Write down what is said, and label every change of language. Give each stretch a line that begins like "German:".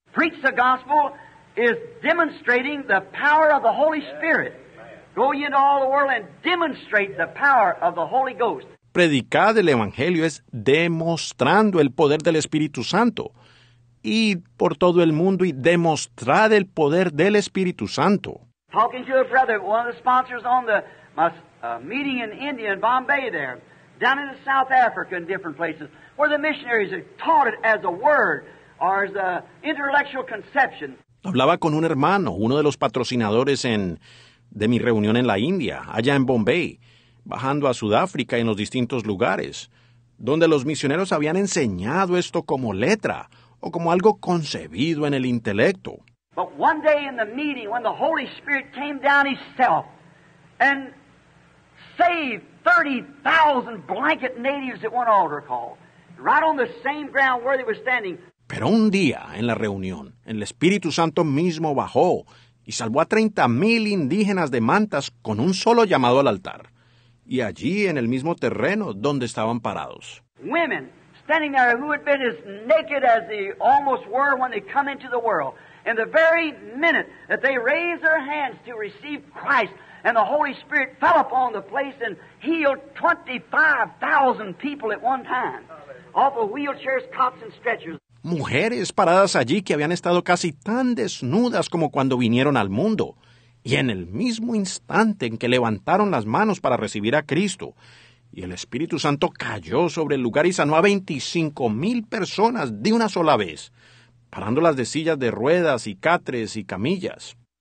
English: Preach the gospel is demonstrating the power of the Holy Spirit. Go ye into all the world and demonstrate the power of the Holy Ghost.
Spanish: Predicad el Evangelio es demostrando el poder del Espíritu Santo. Id por todo el mundo y demostrad el poder del Espíritu Santo.
English: Talking to a brother, one of the sponsors on the meeting in India, in Bombay there, down in the South Africa in different places, where the missionaries had taught it as a word or as an intellectual conception.
Spanish: Hablaba con un hermano, uno de los patrocinadores de mi reunión en la India, allá en Bombay, bajando a Sudáfrica y en los distintos lugares, donde los misioneros habían enseñado esto como letra o como algo concebido en el intelecto.
English: But one day in the meeting, when the Holy Spirit came down Himself and saved 30,000 blanket natives at one altar call, right on the same ground where they were standing.
Spanish: Pero un día en la reunión, el Espíritu Santo mismo bajó y salvó a 30,000 indígenas de mantas con un solo llamado al altar. Y allí en el mismo terreno donde estaban parados.
English: Women standing there who had been as naked as they almost were when they come into the world. And the very minute that they raised their hands to receive Christ and the Holy Spirit fell upon the place and healed 25,000 people at one time. Off of wheelchairs, cots and stretchers.
Spanish: Mujeres paradas allí que habían estado casi tan desnudas como cuando vinieron al mundo. Y en el mismo instante en que levantaron las manos para recibir a Cristo, y el Espíritu Santo cayó sobre el lugar y sanó a 25,000 personas de una sola vez, parándolas de sillas de ruedas y catres y camillas.